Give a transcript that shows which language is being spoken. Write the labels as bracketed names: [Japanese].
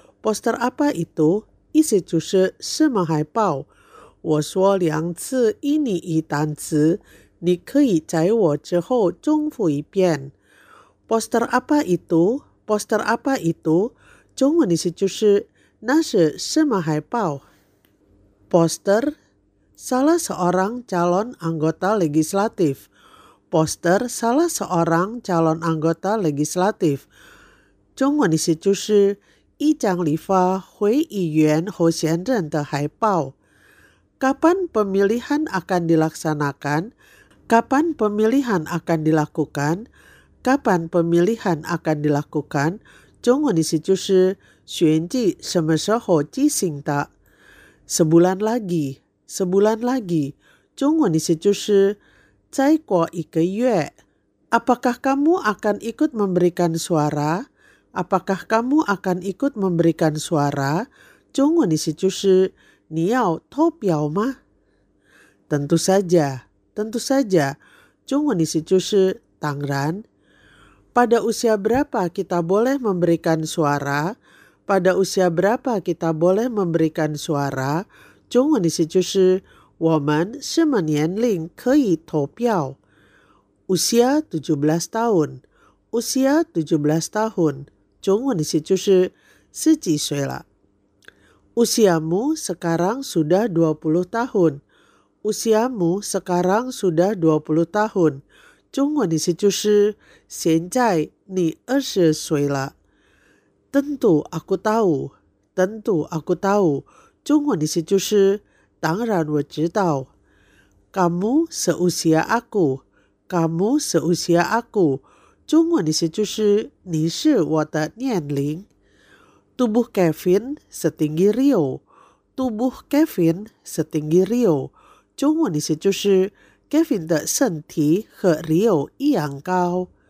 [Indonesian] poster apa itu? [Chinese] 意思就是什么海报。我说两次印尼语单词，你可以在我之后重复一遍。 [Indonesian] poster apa itu? poster apa itu? [Chinese] 中文意思就是那是什么海报。 [Indonesian] Poster, salah seorang calon anggota legislatif. Poster, salah seorang calon anggota legislatif. [Chinese] 中文意思就是一张立法会议员候选人的海报。 [Indonesian] Kapan pemilihan akan dilaksanakan? Kapan pemilihan akan dilakukan? Kapan pemilihan akan dilakukan? [Chinese] 中文意思就是选举什么时候举行的？ [Indonesian] Sebulan lagi, sebulan lagi. [Chinese] 中文意思就是再过一个月。 [Indonesian] Apakah kamu akan ikut memberikan suara? Apakah kamu akan ikut memberikan suara? [Chinese] 中文意思就是你要投票吗？ [Indonesian] Tentu saja, tentu saja. [Chinese] 中文意思就是当然。 [Indonesian] Pada usia berapa kita boleh memberikan suara? Pada usia berapa kita boleh memberikan suara? [Chinese] 中文意思就是我们什么年龄可以投票。 [Indonesian] Usia 17 tahun. Usia 17 tahun. [Chinese] 中文意思就是十几岁了。 [Indonesian] Usiamu sekarang sudah 20 tahun. Usiamu sekarang sudah 20 tahun. [Chinese] 中文意思就是现在你20岁了。 [Indonesian] Tentu aku tahu, tentu aku tahu. [Chinese] 中文意思就是当然我知道。 [Indonesian] Kamu seusia aku, kamu seusia aku. [Chinese] 中文意思就是你是我的年龄。 [Indonesian] Tubuh Kevin setinggi Rio, tubuh Kevin setinggi Rio. [Chinese] 中文意思就是 Kevin 的身体和 Rio 一样高。